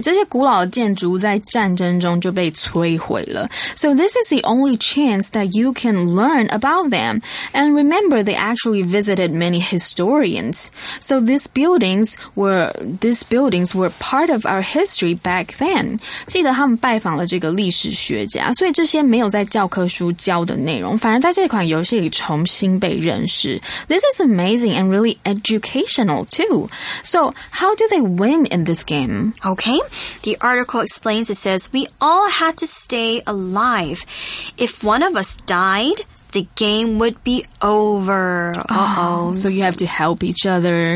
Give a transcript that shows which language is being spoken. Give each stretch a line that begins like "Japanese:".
Chinese: 这些古老的建筑在战争中就被摧毁了。
English: So this is the only chance that you can learn about them. And remember, they actually visited many historians. So these buildings were part of our history back then.
Chinese: 记得他们拜访了这个历史学家。所以这些没有在教科书教的内容反而在这款游戏里重新被认识。
English: This is amazing and really educational too. So how do they win in this game? Okay, the article explains, it says, we all had to stay alive. If one of us died, the game would be over. Uh-oh. So you have to help each other.